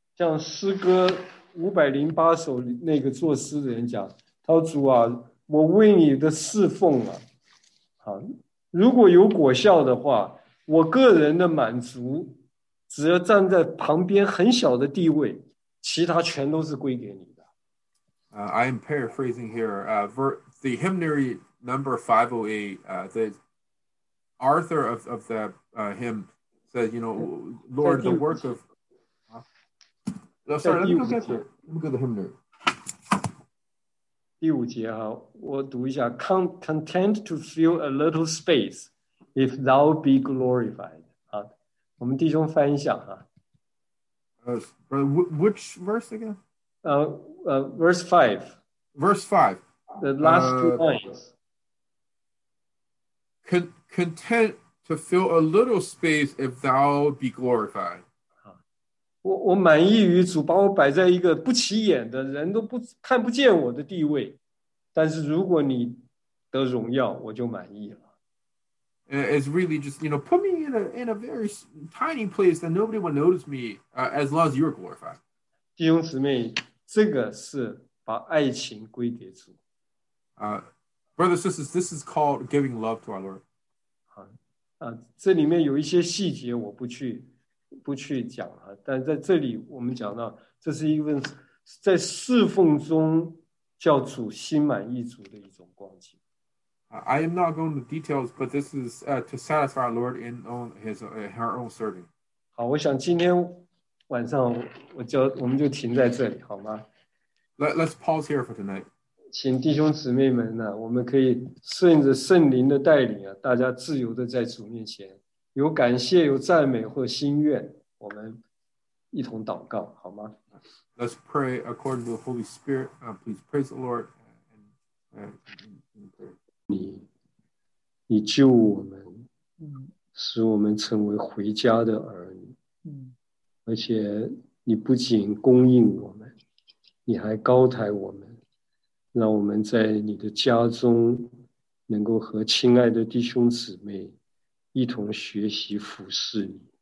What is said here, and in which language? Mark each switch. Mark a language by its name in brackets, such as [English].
[Chinese] 像诗歌508首那个作诗的人讲，他说主啊，我为你的侍奉啊，如果有果效的话，我个人的满足，只要站在旁边很小的地位，其他全都是归给你的。 [English] I am paraphrasing here. The hymnary number 508, the author of the hymn says, you know, Lord, the work of... Let me go get the hymnary. [Chinese] 第五节我读一下 [English] Content to fill a little space, if thou be glorified. [Chinese] 我们弟兄翻一下 [English] Which verse again? Verse 5. Verse 5. The last two lines. Content to fill a little space if thou be glorified. [Chinese] 我满意于主把我摆在一个不起眼的人都不看不见我的地位，但是如果你得荣耀，我就满意了。 [English] It's really just, you know, put me in a very tiny place that nobody will notice me, as long as you're glorified. [Chinese] 弟兄姊妹，这个是把爱情归给主。 [English] Brothers and sisters, this is called giving love to our Lord. [Chinese] 这里面有一些细节我不去讲了，但在这里我们讲到，这是一份在侍奉中叫主心满意足的一种光景。 [English] I am not going to details, but this is to satisfy our Lord in on his her own serving. [Chinese] 好，我想今天晚上我们就停在这里，好吗 [English] ？Let's pause here for tonight. [Chinese] 请弟兄姊妹们呢，我们可以顺着圣灵的带领啊，大家自由的在主面前有感谢、有赞美或心愿，我们一同祷告，好吗 [English] ？Let's pray according to the Holy Spirit. Please praise the Lord. And [Chinese] 你救我们，使我们成为回家的儿女，而且你不仅供应我们，你还高抬我们，让我们在你的家中能够和亲爱的弟兄姊妹一同学习服侍你。